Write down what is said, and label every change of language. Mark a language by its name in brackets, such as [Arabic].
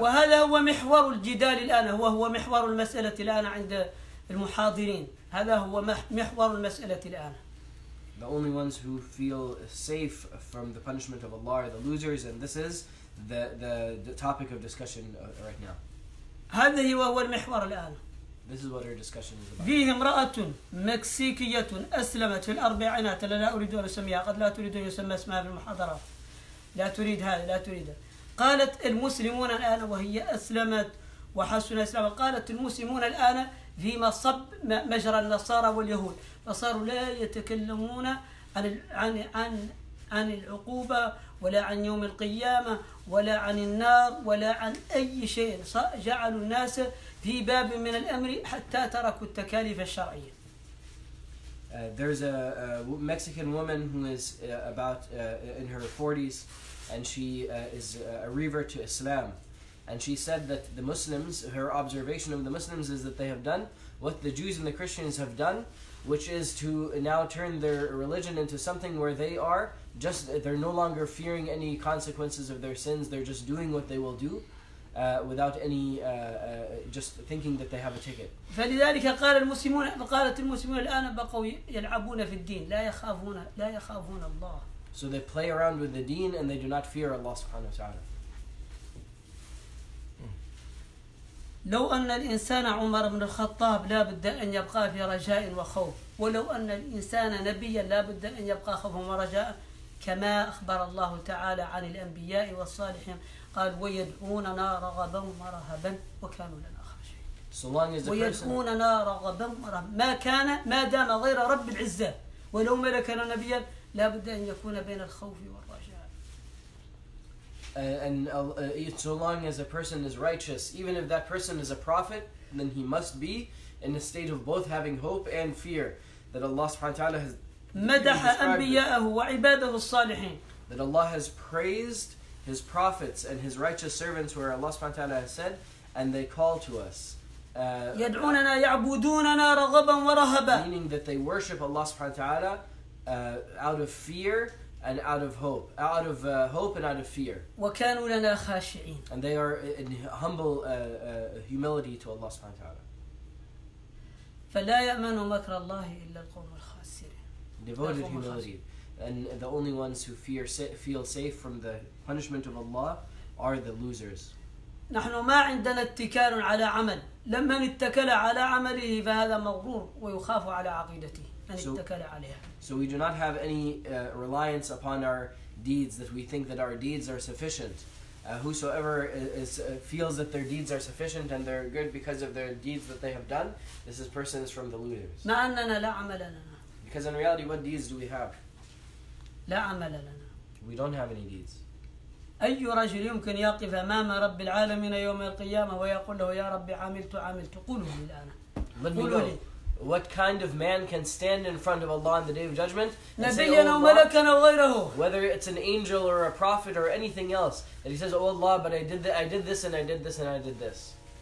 [Arabic] وهذا هو محور الجدال الآن وهو محور المسألة الآن عند المحاضرين. هذا هو محور المسألة الآن. [English] The only ones who feel safe from the punishment of Allah are the losers, and this is the topic of discussion right now. [Arabic] هذه وهو المحور الآن. [English] This is what our discussion is about. [Arabic] فيه امرأة مكسيكية أسلمت في الأربعينات. لا أريد أن أسميها قد لا تريد أن يسمى اسمها في المحاضرة. لا تريد هذا، لا تريد. قالت المسلمون الآن وهي أسلمت وحسن إسلامها. قالت المسلمون الآن في مصب مجرى النصارى واليهود، فصاروا لا يتكلمون عن العقوبة ولا عن يوم القيامة ولا عن النار ولا عن أي شيء. جعلوا الناس في باب من الأمر حتى تركوا التكاليف الشرعية. [English] There's a Mexican woman who is about in her 40s, and she is a revert to Islam. And she said that the Muslims, her observation of the Muslims is that they have done what the Jews and the Christians have done, which is to now turn their religion into something where they are just, they're no longer fearing any consequences of their sins, they're just doing what they will do. Without any just thinking that they have a ticket. [Arabic] فلذلك قال المسلمون فقالت المسلمون الآن بقوا يلعبون في الدين لا يخافون الله. [English] So they play around with the deen and they do not fear Allah subhanahu wa ta'ala. [Arabic] لو أن الإنسان عمر بن الخطاب لا بد أن يبقى في رجاء وخوف ولو أن الإنسان نبيا لا بد أن يبقى خوفا ورجاء كما أخبر الله تعالى عن الأنبياء والصالحين. قال ويدعوننا رغبا ورهبا وكانوا لنا خاشعين. ويدعوننا رغبا ورهبا ما كان ما دام غير رب العزة ولو ملكنا نبيا لا بد أن يكون بين الخوف والرجاء. [English] And so long as a person is righteous, even if that person is a prophet, then he must be in a state of both having hope and fear that Allah subhanahu wa ta'ala has [Arabic] مدح أنبياءه وعباده الصالحين. [English] That Allah has praised His prophets and His righteous servants, where Allah subhanahu wa ta'ala has said, and they call to us. [Arabic] يدعوننا يعبدوننا رغبا ورهبا. [English] Meaning that they worship Allah subhanahu wa ta'ala out of fear and out of hope. Out of hope and out of fear. [Arabic] وكانوا لنا خاشعين. [English] And they are in humble humility to Allah subhanahu wa ta'ala. [Arabic] فلا يأمن مكر الله إلا القوم الخاسرين. [English] Devoted humility. And the only ones who feel safe from the punishment of Allah are the losers. [Arabic] نحن ما عندنا اتكال على عمل. لمن اتكل على عمله فهذا مغرور ويخاف على عقيدته. من اتكل عليها. [English] So we do not have any reliance upon our deeds, that we think that our deeds are sufficient. Whosoever is feels that their deeds are sufficient and they're good because of their deeds that they have done, this is persons from the losers. [Arabic] ما أننا لا عمل لنا. [English] Because in reality, what deeds do we have? [Arabic] لا عمل لنا. [English] We don't have any deeds. [Arabic] أي رجل يمكن يقف أمام رب العالمين يوم القيامة ويقول له يا ربي عملت قولوا لي الآن. قولوا لي. [English] What kind of man can stand in front of Allah on the day of judgment and say, "Oh Allah," whether it's an angel or a prophet or anything else, and he says, "Oh Allah, but I did this and I did this and I did this."